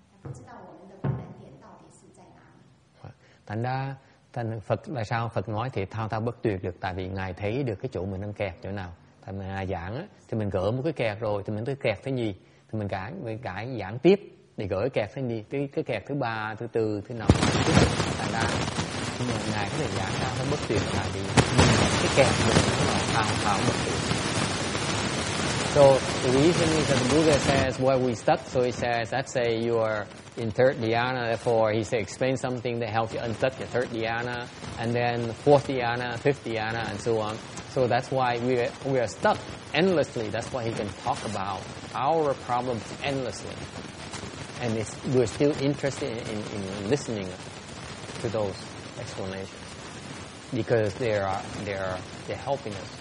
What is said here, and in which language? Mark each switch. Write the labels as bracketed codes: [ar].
[zh] 知道我们的观点到底是在哪里。 [vi] Thành ra, thành Phật là sao? Phật nói thì thao thao bất tuyệt được, tại vì ngài thấy được cái chỗ mình đang kẹt chỗ nào. Thành mình giảng thì mình gỡ một cái kẹt rồi, thì mình tới kẹt thứ nhì, thì mình cãi giảng tiếp để gỡ kẹt thứ nhì, cái kẹt thứ ba, thứ tư, thứ năm. Thành ra, nhưng mà ngài có thể giảng thao thao bất tuyệt, tại vì cái kẹt mình thao thao bất tuyệt. [en] So the reason is that the Buddha says why we stuck. So he says, let's say you are in third dhyana, therefore he says explain something that helps you unstuck your third dhyana, and then fourth dhyana, fifth dhyana, and so on. So that's why we are stuck endlessly. That's why he can talk about our problems endlessly, and it's, we're still interested in listening to those explanations because they're helping us.